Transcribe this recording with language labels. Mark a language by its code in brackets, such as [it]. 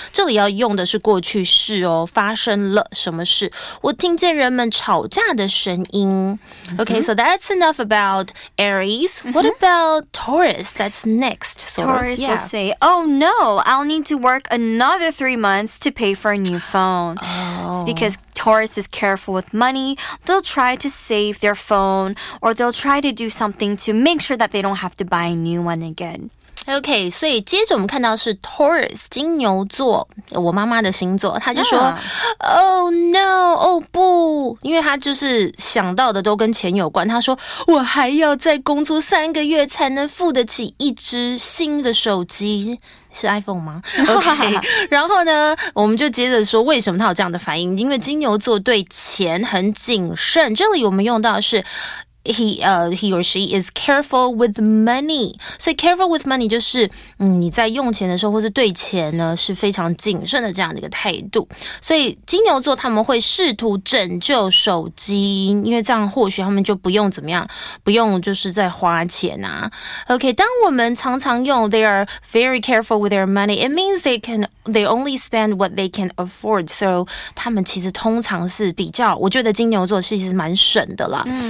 [zh] 这里要用的是过去式哦发生了什么事我听见人们吵架的声音 [en] Okay, so that's enough about Aries. What about Taurus? That's next. Taurus will say, oh no, I'll need to work another 3 months to pay for a new phone. Oh. It's because Taurus is careful with money. They'll try to save their phone or they'll try to do something to make sure that they don't have to buy a new one again. [zh] OK, 所以接着我们看到是 Taurus, 金牛座,我妈妈的星座,她就说 [en] Oh no, [zh] oh 不,因为她就是想到的都跟钱有关,她说我还要再工作三个月才能付得起一只新的手机。是 iPhone 吗 ?OK, 然后呢我们就接着说为什么她有这样的反应,因为金牛座对钱很谨慎,这里我们用到的是 [en] He or she is careful with money. [zh] So [en] careful with money [zh] 就是你在用钱的时候或是对钱呢是非常谨慎的这样的一个态度。所以金牛座他们会试图拯救手机，因为这样或许他们就不用怎么样，不用就是在花钱啊。 [en] OK, [zh] 当我们常常用 [en] they are very careful with their money, it means they only spend what they can afford. [zh] So 他们其实通常是比较，我觉得金牛座其实蛮省的啦。